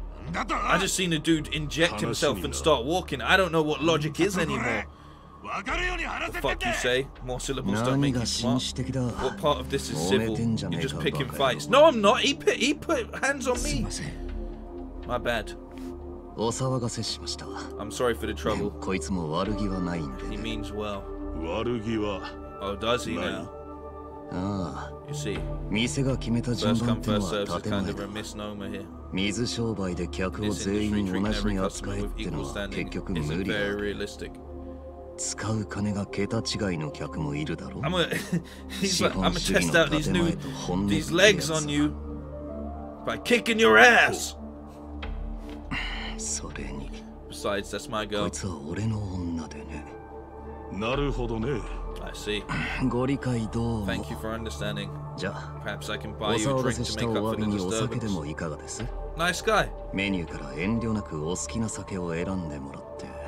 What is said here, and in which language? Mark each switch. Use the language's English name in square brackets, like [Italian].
[English] I just seen a dude inject himself and start walking. I don't know what logic is anymore. The fuck you say? More syllables don't make you smart. What part of this is civil? You're just picking fights. No, I'm not. He put hands on me. My bad. [Japanese] お騒がせしました。 [English] I'm sorry for the trouble. で [Japanese] もこいつも悪気はないんで。 [English] He means well. [Japanese] 悪気は。 [English] Oh, does he now? [Japanese] ああ。 [English] You see. [Japanese] 店が決めた順番ってのは建前だ。 [English] First come, first serve is kind of a misnomer here. [Japanese] 水商売で客を全員同じに扱えってのは結局無理だ。使う金が桁違いの客もいるだろう。資本主義の建前と本音のやつは。 [English] By kicking your ass。 [Japanese] それに。 [English] Besides, that's my girl. [Japanese] こいつは俺の女でね。なるほどね。 [English] I see. [Japanese] ご理解どうも。 [English] Thank you for understanding. Perhaps I can buy you a drink to make up for the disturbance. Nice guy. [Japanese] Menu から遠慮なくお好きな酒を選んでもらって。